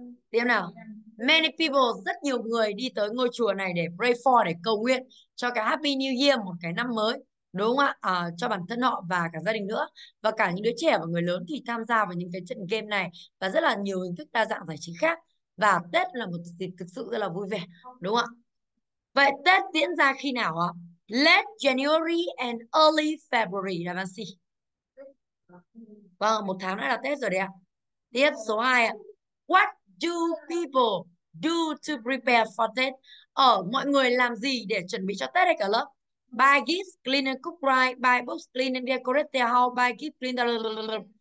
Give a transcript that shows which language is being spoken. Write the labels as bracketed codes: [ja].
[vi] Tiếp nào. Many people, rất nhiều người đi tới ngôi chùa này để [en] pray for, [vi] để cầu nguyện cho cái [en] Happy New Year, [vi] một cái năm mới, đúng không ạ? À, cho bản thân họ và cả gia đình nữa. Và cả những đứa trẻ và người lớn thì tham gia vào những cái trận game này và rất là nhiều hình thức đa dạng giải trí khác. Và Tết là một dịp thực sự rất là vui vẻ, đúng không ạ? Vậy Tết diễn ra khi nào ạ? [en] Late January and early February, [vi] là bạn gì? Vâng, một tháng nữa là Tết rồi đấy ạ. Tiếp số 2 ạ. [en] What do people do to prepare for Tết? [vi] Mọi người làm gì để chuẩn bị cho Tết đây cả lớp? [en] Buy gifts, clean and cook right, buy books, clean and decorate their house, buy gifts, clean the...